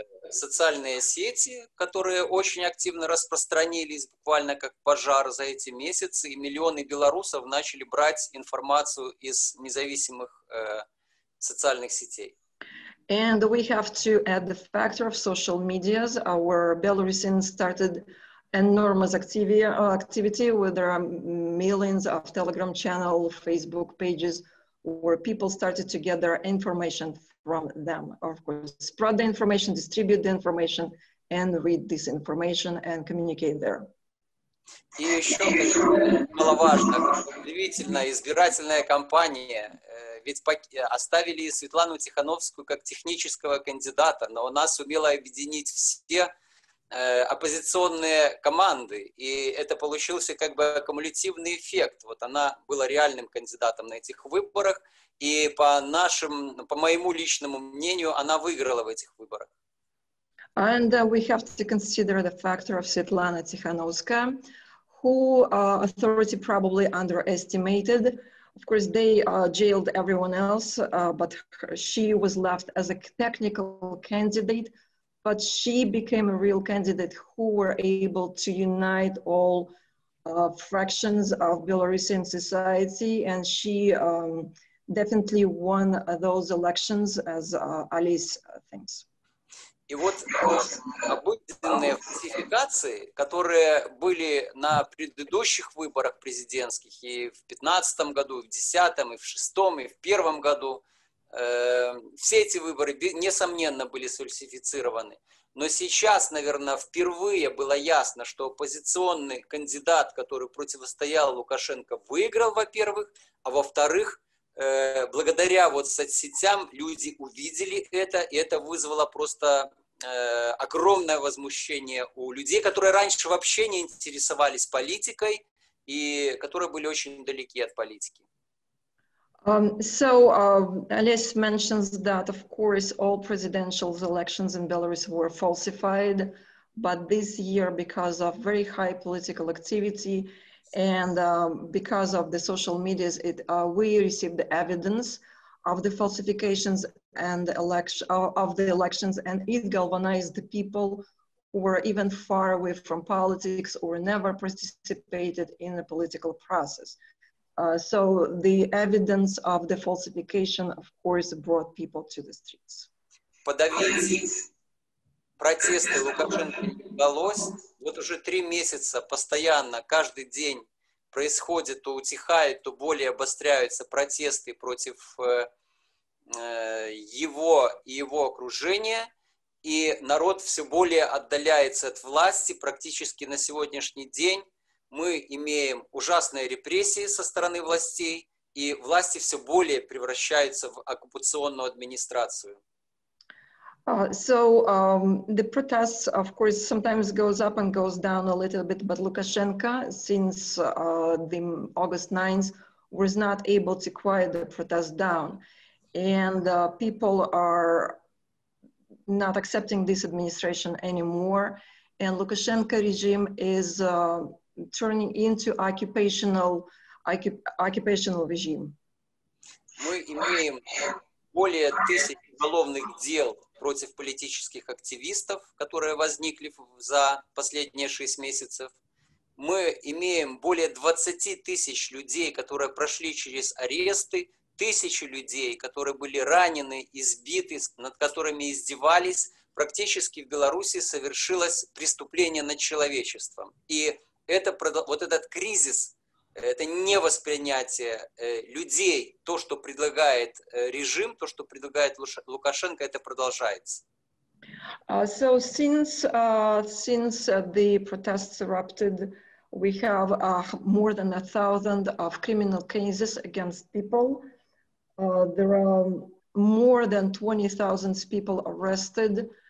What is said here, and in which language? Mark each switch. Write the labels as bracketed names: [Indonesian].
[Russian] Социальные сети, которые очень активно распространились буквально как пожар за эти месяцы, и миллионы белорусов начали брать информацию из независимых социальных сетей. [English] And we have to add the factor of social medias, where Belarusians started enormous activity, where there are millions of Telegram channel, Facebook pages, where people started to get their information from them, of course, spread the information, distribute the information, and read this information and communicate there. [Russian] И еще маловажно, удивительно, избирательная кампания, ведь оставили Светлану Тихановскую как технического кандидата, но она сумела объединить все оппозиционные команды, и это получился как бы кумулятивный эффект. Вот она была реальным кандидатом на этих выборах, и по моему личному мнению, она выиграла в этих выборах. [English] And we have to consider the factor of Svetlana Tikhanovskaya, who authority probably underestimated. Of course, they jailed everyone else, but she was left as a technical candidate. But she became a real candidate who were able to unite all fractions of Belarusian society, and she definitely won those elections, as Alice thinks. [Russian] И вот обыденные фальсификации, которые были на предыдущих выборах президентских и в 2015 году, и в 2010, и в 2006, и в 2001 году, все эти выборы, несомненно, были сфальсифицированы. Но сейчас, наверное, впервые было ясно, что оппозиционный кандидат, который противостоял Лукашенко, выиграл, во-первых, а во-вторых, благодаря вот соцсетям люди увидели это, и это вызвало просто огромное возмущение у людей, которые раньше вообще не интересовались политикой и которые были очень далеки от политики. [English] Alice mentions that, of course, all presidential elections in Belarus were falsified, but this year, because of very high political activity and because of the social medias, we received the evidence of the falsifications and of the elections, and it galvanized the people who were even far away from politics or never participated in the political process. So the evidence of the falsification, of course, brought people to the streets. [Russian] Подавить протесты Лукашенко не удалось. Вот уже 3 месяца постоянно, каждый день происходит, то утихает, то более обостряются протесты против его и его окружения. И народ все более отдаляется от власти практически на сегодняшний день. Мы имеем ужасные репрессии со стороны властей, и власти все более превращаются в оккупационную администрацию. [English] The protests, of course, sometimes goes up and goes down a little bit, but Lukashenko, since the August 9th, was not able to quiet the protests down. And people are not accepting this administration anymore. And Lukashenko regime is turning into occupational regime. [Russian] Мы имеем более 1000 уголовных дел против политических активистов, которые возникли за последние 6 месяцев. Мы имеем более 20 тысяч людей, которые прошли через аресты, тысячи людей, которые были ранены, избиты, над которыми издевались. Практически в Беларуси совершилось преступление над человечеством. И это, вот этот кризис, это невоспринятие людей, то, что предлагает режим, то, что предлагает Лукашенко, это продолжается. [English] Since the protests erupted, we have more than 1,000 of criminal cases against people. There are more than 20,000 people arrested.